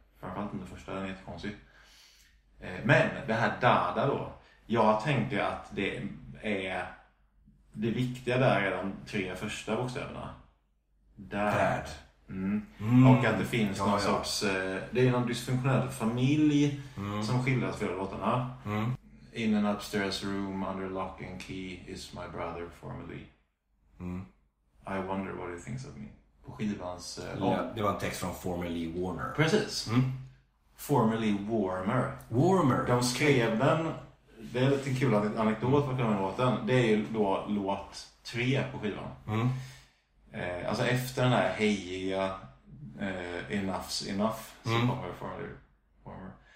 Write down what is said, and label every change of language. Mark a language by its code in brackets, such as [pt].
[sv] Framförallt den första, den är jättekonstig. Men det här Dada då, jag tänkte att det viktiga där är de tre första bokstäverna. [en] Dad. Mm. Mm. [sv] Och att det finns någon sorts, det är någon dysfunktionell familj, mm, som skildras för låtarna, mm, [en] in an upstairs room under lock and key is my brother formerly, mm, I wonder what he thinks of me [sv] på skivans, ja, det var en text från Formerly Warmer, precis, mm, Formerly Warmer. Warmer, de skrev den, det är lite kul att anekdot för den låten, det är då låt tre på skivan, mm. Alltså efter den här hejiga Enough's Enough, mm, som kommer från Warmer.